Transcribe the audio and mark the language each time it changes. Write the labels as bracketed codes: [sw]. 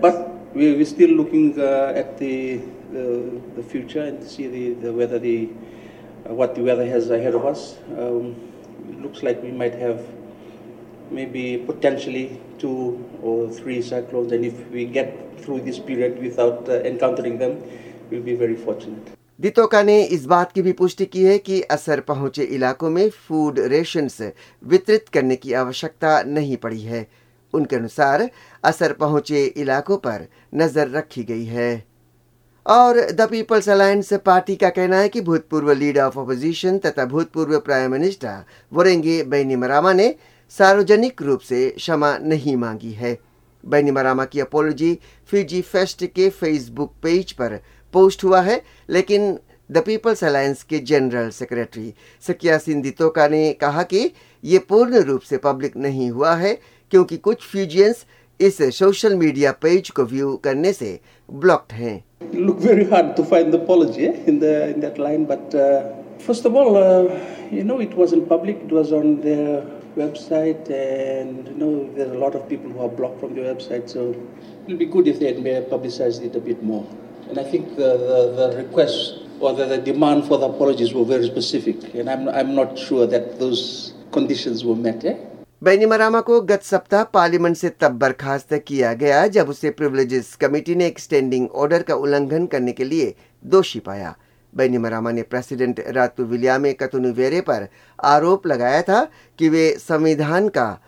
[en] But we're still looking at the future and see the weather, what the weather has ahead of us. It looks like we might have maybe potentially 2 or 3 cyclones, and if we get through this period without encountering them, we'll be very fortunate. [hi] दितोका ने इस बात की भी पुष्टि की है कि असर पहुंचे इलाकों में फूड रेशंस वितरित करने की आवश्यकता नहीं पड़ी है। उनके अनुसार असर पहुंचे इलाकों पर नजर रखी गई है। और द पीपल्स अलायंस पार्टी का कहना है कि भूतपूर्व लीडर ऑफ अपोजिशन तथा भूतपूर्व प्राइम मिनिस्टर वोरेंगे बैनीमरामा ने सार्वजनिक रूप से क्षमा नहीं मांगी है। बैनीमरामा की अपोलॉजी फिजी फेस्ट के फेसबुक पेज पर पोस्ट हुआ है, लेकिन द पीपल्स अलायंस के जनरल सेक्रेटरी सकियासीन दितोका ने कहा कि ये पूर्ण रूप से पब्लिक नहीं हुआ है, क्योंकि कुछ फ्यूजियंस इस सोशल मीडिया पेज को व्यू करने से ब्लॉक्ड हैं। [en] Look very hard to find the apology in that line, but first of all you know it was in public, it was on their website, and you know there are a lot of people who are blocked from the website, so it will be good if they had publicised it a bit more. And I think the request or the demand for the apologies were very specific, and I'm not sure that those conditions were met. [hi] बैनीमरामा को गत सप्ताह parliament से तब बर्खास्त किया गया जब उसे प्रिविलेजेस कमेटी ने एक स्टैंडिंग ऑर्डर का उल्लंघन करने के लिए दोषी पाया। बैनीमरामा ने प्रेसिडेंट रातु विलियामे कतुनुवेरे पर आरोप लगाया था कि वे संविधान का